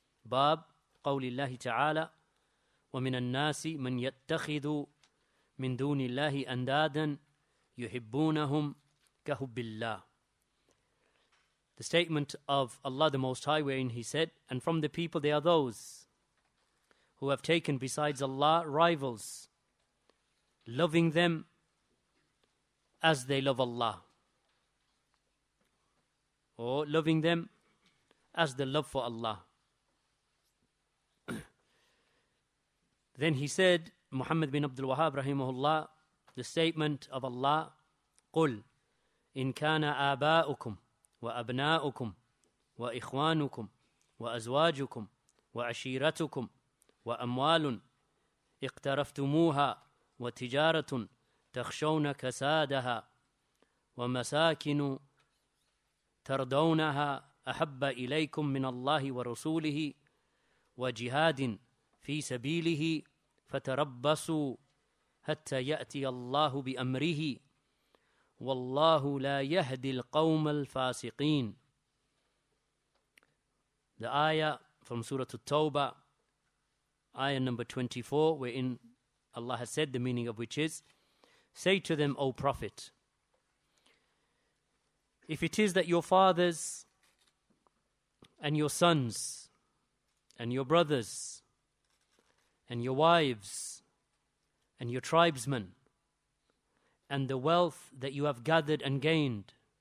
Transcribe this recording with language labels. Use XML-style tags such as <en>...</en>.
<ar>Bab qawli Allahi ta'ala وَمِنَ النَّاسِ مَنْ يَتَّخِذُ مِنْ دُونِ اللَّهِ أَنْدَادًا يُحِبُّونَهُمْ كَهُبِّ اللَّهِ.</ar> <en>The statement of Allah the Most High, wherein He said, and from the people there are those who have taken besides Allah rivals, loving them as they love Allah, or loving them as the love for Allah. Then he said, Muhammad bin Abdul Wahhab rahimahullah, the statement of Allah,</en> <ar>قُلْ إِنْ كَانَ آبَاؤُكُمْ وَأَبْنَاؤُكُمْ وَإِخْوَانُكُمْ وَأَزْوَاجُكُمْ وَعَشِيرَتُكُمْ وَأَمْوَالٌ اِقْتَرَفْتُمُوهَا وَتِجَارَةٌ تَخْشَوْنَ كَسَادَهَا وَمَسَاكِنُ تَرْضَوْنَهَا أَحَبَّ إِلَيْكُمْ مِنَ اللَّهِ وَرَسُولِهِ وَجِهَادٍ فِي سَبِيلِهِ فَتَرَبَّصُوا حَتَّى يَأْتِيَ اللَّهُ بِأَمْرِهِ وَاللَّهُ لَا يَهْدِي الْقَوْمَ الْفَاسِقِينَ.</ar> <en>The ayah from Surah At-Tawbah, ayah number 24, wherein Allah has said, the meaning of which is, say to them, O Prophet, if it is that your fathers and your sons and your brothers and your wives and your tribesmen and the wealth that you have gathered and gained</en>